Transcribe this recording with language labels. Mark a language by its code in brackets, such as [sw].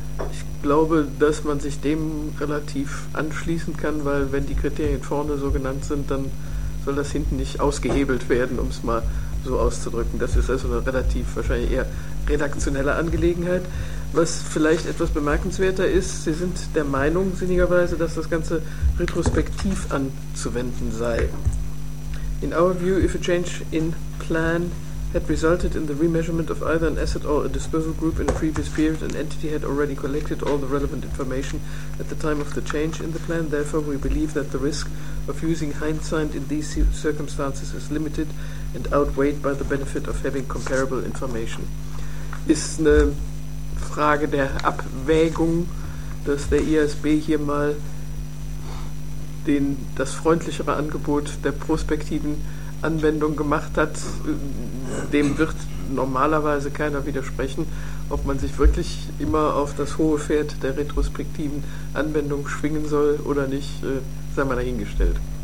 [de] Ich glaube, dass man sich dem relativ anschließen kann, weil wenn die Kriterien vorne so genannt sind, dann soll das hinten nicht ausgehebelt werden, um es mal so auszudrücken. Das ist also eine relativ wahrscheinlich eher redaktionelle Angelegenheit. Was vielleicht etwas bemerkenswerter ist, Sie sind der Meinung, sinnigerweise, dass das Ganze retrospektiv anzuwenden sei. [en] In our view, if a change in plan had resulted in the remeasurement of either an asset or a disposal group in a previous period, an entity had already collected all the relevant information at the time of the change in the plan. Therefore, we believe that the risk of using hindsight in these circumstances is limited and outweighed by the benefit of having comparable information. [de] Ist eine Frage der Abwägung, dass der ISB hier mal das freundlichere Angebot der prospektiven Anwendung gemacht hat. Dem wird normalerweise keiner widersprechen. Ob man sich wirklich immer auf das hohe Pferd der retrospektiven Anwendung schwingen soll oder nicht, sei mal dahingestellt.